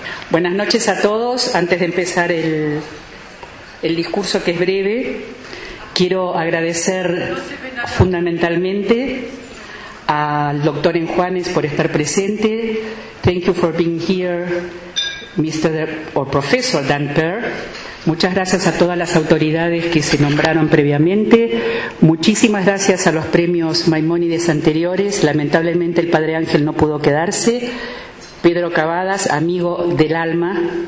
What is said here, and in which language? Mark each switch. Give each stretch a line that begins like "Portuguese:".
Spanish: Buenas noches a todos. Antes de empezar el discurso, que es breve, quiero agradecer fundamentalmente al doctor M. Juanes por estar presente.
English: Thank you for being here, Mr. or Professor Dan Per.
Spanish: Muchas gracias a todas las autoridades que se nombraron previamente. Muchísimas gracias a los premios Maimónides anteriores. Lamentablemente el padre Ángel no pudo quedarse. Pedro Cavadas, amigo del alma.